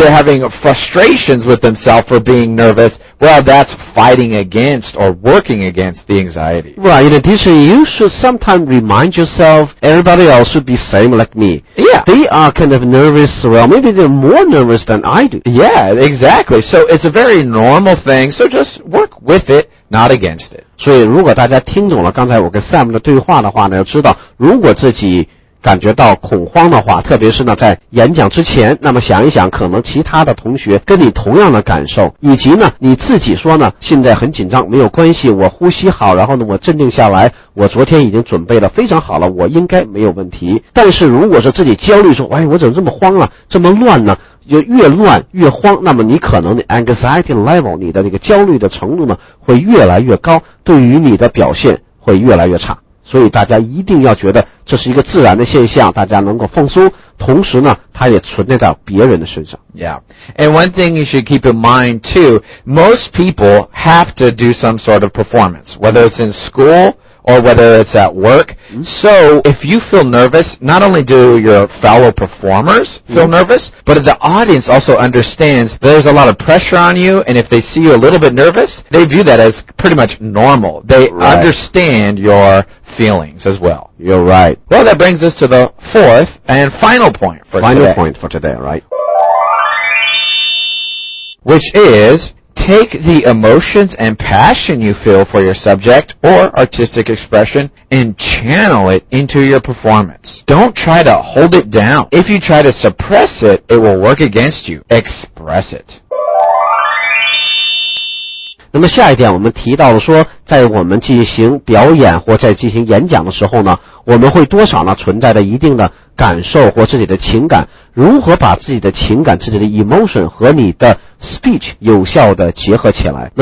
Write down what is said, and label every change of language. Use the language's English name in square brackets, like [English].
[English] They're having frustrations with themselves for being nervous. Well, that's fighting against or working against the anxiety. Right. In addition, you should sometimes remind yourself, everybody else should be same like me. Yeah. They are kind of nervous. Well, maybe they're more nervous than I do. Yeah. Yeah, exactly. So it's a very normal thing. So just work with it, not against it. [Chinese] 所以如果大家听懂了刚才我跟 Sam 的对话的话呢，要知道如果自己感觉到恐慌的话，特别是呢在演讲之前，那么想一想可能其他的同学跟你同样的感受，以及呢你自己说呢现在很紧张，没有关系，我呼吸好，然后呢我镇定下来，我昨天已经准备了非常好了，我应该没有问题。但是如果是自己焦虑说，哎，我怎么这么慌啊，这么乱呢，就越乱越慌，那么你可能的 [English] anxiety level， [Chinese] 你的那个焦虑的程度呢会越来越高，对于你的表现会越来越差。所以大家一定要觉得这是一个自然的现象，大家能够放松，同时呢它也存在到别人的身上。 [English] Yeah. And one thing you should keep in mind too, most people have to do some sort of performance, whether it's in school or whether it's at work. So if you feel nervous, not only do your fellow performers feel nervous, but the audience also understands there's a lot of pressure on you, and if they see you a little bit nervous, they view that as pretty much normal. They understand your feelings as well. You're right. Well, that brings us to the fourth and final point for today. Final point for today, right? Which is... Take the emotions and passion you feel for your subject or artistic expression and channel it into your performance. Don't try to hold it down. If you try to suppress it, it will work against you. Express it. [Chinese] 那么下一点我们提到了说，在我们进行表演或在进行演讲的时候呢，我们会多少呢存在着一定的感受或自己的情感，如何把自己的情感、自己的 emotion 和你的 speech 有效的结合起来。